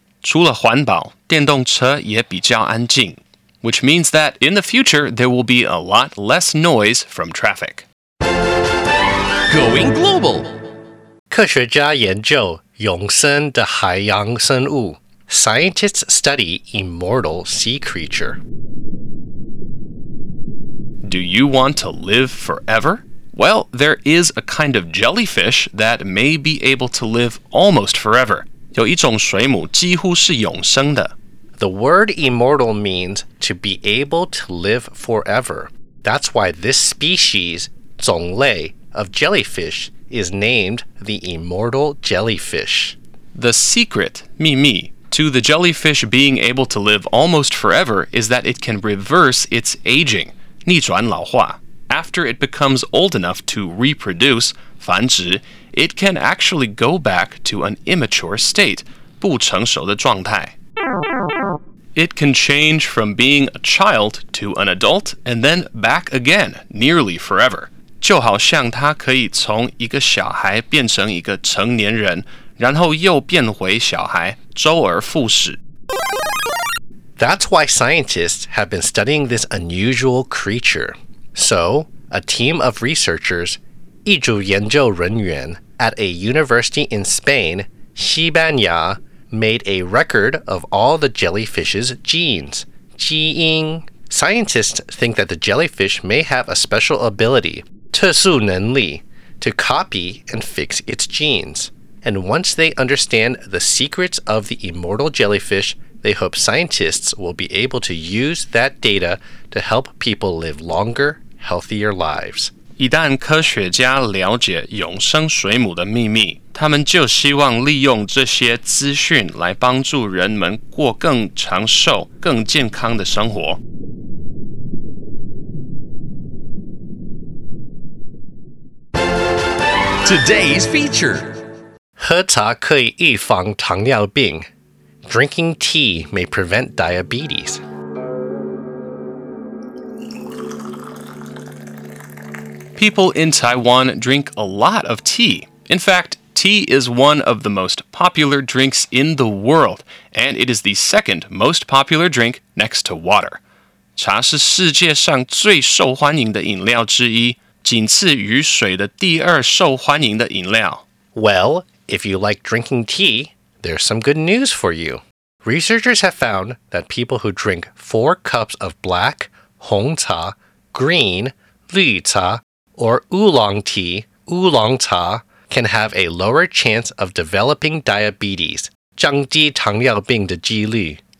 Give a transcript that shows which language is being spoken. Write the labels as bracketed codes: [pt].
[zh] 除了环保，电动车也比较安静。 [en] Which means that in the future, there will be a lot less noise from traffic. Going global! [zh] 科学家研究永生的海洋生物。 [en] Scientists study immortal sea creature. Do you want to live forever? Well, there is a kind of jellyfish that may be able to live almost forever. [zh] 有一种水母几乎是永生的。 [en] The word immortal means to be able to live forever. That's why this species, 种类, of jellyfish is named the immortal jellyfish. The secret, 秘密, to the jellyfish being able to live almost forever is that it can reverse its aging, [zh] 逆转老化。 [en] After it becomes old enough to reproduce, 繁殖, it can actually go back to an immature state, [zh] 不成熟的状态。 [en] It can change from being a child to an adult and then back again, nearly forever. [zh] 就好像它可以从一个小孩变成一个成年人,然后又变回小孩,周而复始。 [en] That's why scientists have been studying this unusual creature. So, a team of researchers, [zh] 一组研究人员, [en] at a university in Spain, 西班牙, made a record of all the jellyfish's genes, 基因. Scientists think that the jellyfish may have a special ability, 特殊能力, to copy and fix its genes. And once they understand the secrets of the immortal jellyfish,They hope scientists will be able to use that data to help people live longer, healthier lives. [zh] 一旦科学家了解永生水母的秘密，他们就希望利用这些资讯来帮助人们过更长寿、更健康的生活。 [en] Today's feature. [zh] 喝茶可以预防糖尿病。 [en] Drinking tea may prevent diabetes. People in Taiwan drink a lot of tea. In fact, tea is one of the most popular drinks in the world, and it is the second most popular drink next to water. [zh] 茶是世界上最受欢迎的饮料之一，仅次于水的第二受欢迎的饮料。 [en] Well, if you like drinking tea... There's some good news for you. Researchers have found that people who drink 4 cups of black, 红茶, green, 绿茶, or oolong tea, oolong茶, can have a lower chance of developing diabetes, [zh] 降低糖尿病的几率。